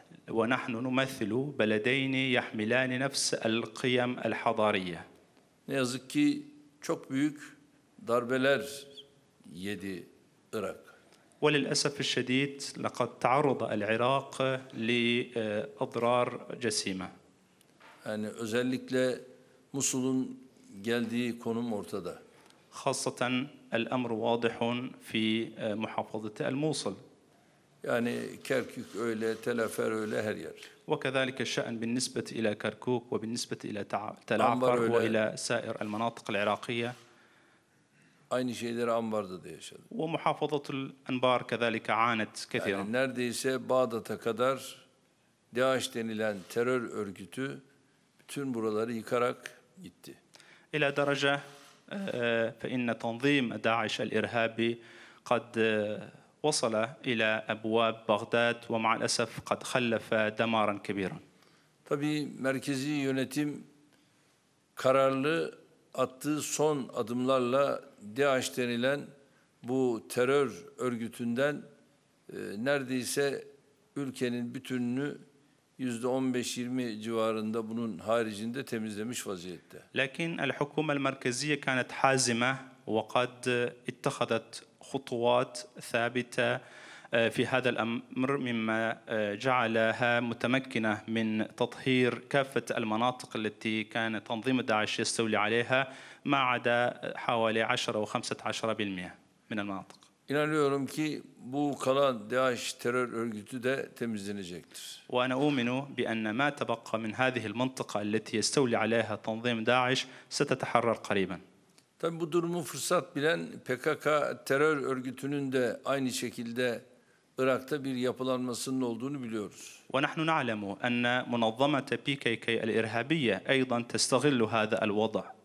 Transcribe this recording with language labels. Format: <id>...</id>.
<ar>ونحن نمثل بلدين يحملان نفس القيم الحضارية.</ar> <tr>Ne yazık ki çok büyük darbeler yedi Irak.</tr> <ar>وللأسف الشديد لقد تعرض العراق لأضرار جسيمة.</ar> <tr>Yani özellikle Musul'un geldiği konum ortada.</tr> <ar>خاصة الأمر واضح في محافظة الموصل.</ar> <tr>Yani Kerkük öyle, Telafer öyle her yer.</tr> <ar>وكذلك الشأن بالنسبة إلى كركوك وبالنسبة إلى تلعقر وإلى سائر المناطق العراقية.</ar> <tr>Aynı şeyleri Anbar'da da yaşadı.</tr> <ar>ومحافظة الأنبار كذلك عانت كثيرا.</ar> <tr>Yani neredeyse Bağdat'a kadar DAEŞ denilen terör örgütü bütün buraları yıkarak gitti.</tr> <ar>إلى درجة فإن تنظيم داعش الإرهابي قد وصل إلى أبواب بغداد ومع الأسف قد خلف دمارا كبيرا.</ar> <tr>Tabii merkezi yönetim kararlı attığı son adımlarla DAEŞ denilen bu terör örgütünden neredeyse ülkenin bütününü %15-20 civarında bunun haricinde temizlemiş vaziyette.</tr> <ar>Lakin الحكومه المركزيه كانت حازمه وقد اتخذت خطوات ثابته في هذا الامر مما جعلها متمكنه من تطهير كافه المناطق التي كان تنظيم داعش يستولي عليها ما عدا حوالي 10 و15% من المناطق.</ar> <tr>İnanıyorum ki bu kalan DAEŞ terör örgütü de temizlenecektir.</tr> <ar>وأنا أؤمن بأن ما تبقى من هذه المنطقة التي يستولي عليها تنظيم داعش ستتحرر قريبا.</ar> <tr>Tabi bu durumu fırsat bilen PKK terör örgütünün de aynı şekilde Irak'ta bir yapılanmasının olduğunu biliyoruz.</tr> <ar>ونحن نعلم أن منظمة PKK الإرهابية أيضا تستغل هذا الوضع.</ar>